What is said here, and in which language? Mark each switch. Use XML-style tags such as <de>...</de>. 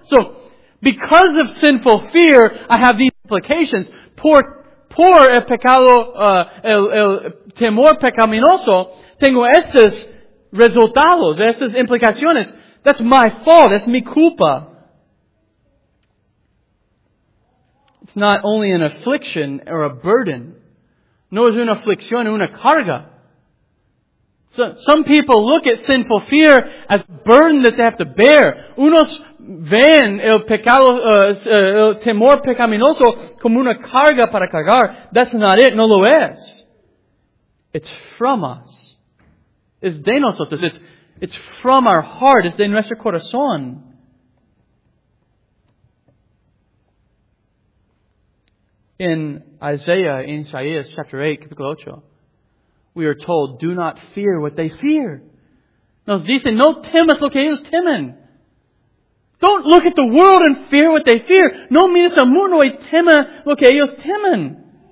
<en>So, because of sinful fear, I have these implications.</en> <es>Por el pecado, el temor pecaminoso, tengo estos resultados, estas implicaciones.</es> <en>That's my fault. That's</en> <es>mi culpa.</es> <en>It's not only an affliction or a burden.</en> <es>No es una aflicción, una carga.</es> <en>So, some people look at sinful fear as a burden that they have to bear.</en> <es>Unos ven el pecado, el temor pecaminoso como una carga para cargar.</es> <en>That's not it.</en> <es>No lo es.</es> <en>It's from us.</en> <es>Es de nosotros.</es> <en>It's from our heart. It's</en> <es>de nuestro corazón.</es> <en>In Isaiah, in Isaiah chapter 8,</en> <es>capítulo 8,</es> <en>we are told, do not fear what they fear.</en> <es>Nos dicen, no temas lo que ellos temen.</es> <en>Don't look at the world and fear what they fear.</en> <es>No mires al mundo y tema lo que ellos temen.</es>